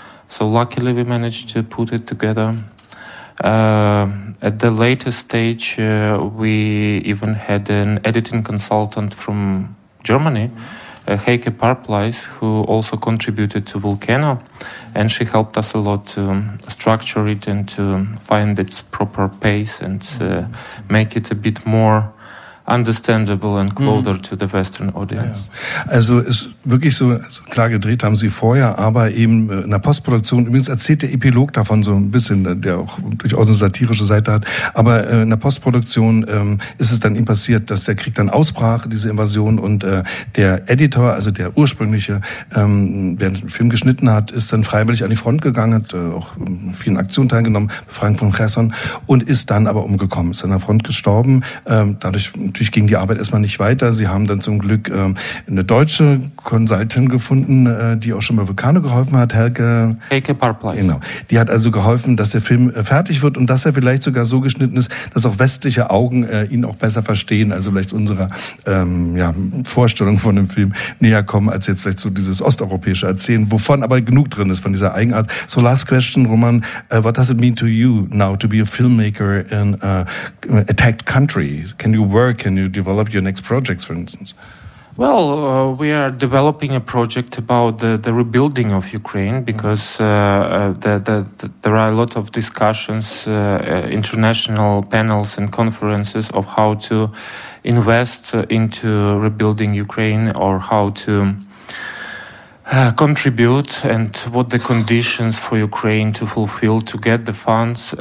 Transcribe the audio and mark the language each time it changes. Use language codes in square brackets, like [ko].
[en] So luckily we managed to put it together. At the latest stage, we even had an editing consultant from Germany, Heike Parpleis, who also contributed to Volcano, and she helped us a lot to structure it and to find its proper pace and make it a bit more understandable and closer to the Western audience. Ja, ja. [de] Also ist wirklich so, also klar gedreht haben sie vorher, aber eben in der Postproduktion, übrigens erzählt der Epilog davon so ein bisschen, der auch durchaus eine satirische Seite hat, aber in der Postproduktion ist es dann eben passiert, dass der Krieg dann ausbrach, diese Invasion, und der Editor, also der ursprüngliche, der den Film geschnitten hat, ist dann freiwillig an die Front gegangen, hat auch in vielen Aktionen teilgenommen, Befreiung von Cherson, und ist dann aber umgekommen, ist an der Front gestorben. Dadurch ging die Arbeit erstmal nicht weiter. Sie haben dann zum Glück eine deutsche Consultantin gefunden, die auch schon bei Vulcano geholfen hat, Helke Parpleis. Genau. Die hat also geholfen, dass der Film fertig wird und dass er vielleicht sogar so geschnitten ist, dass auch westliche Augen ihn auch besser verstehen, also vielleicht unserer Vorstellung von dem Film näher kommen, als jetzt vielleicht so dieses osteuropäische Erzählen, wovon aber genug drin ist von dieser Eigenart. [en] So, last question, Roman, what does it mean to you now to be a filmmaker in a attacked country? Can you work? Can you develop your next projects, for instance? Well, we are developing a project about the rebuilding of Ukraine, because there are a lot of discussions, international panels and conferences of how to invest into rebuilding Ukraine, or how to contribute, and what the conditions for Ukraine to fulfill to get the funds.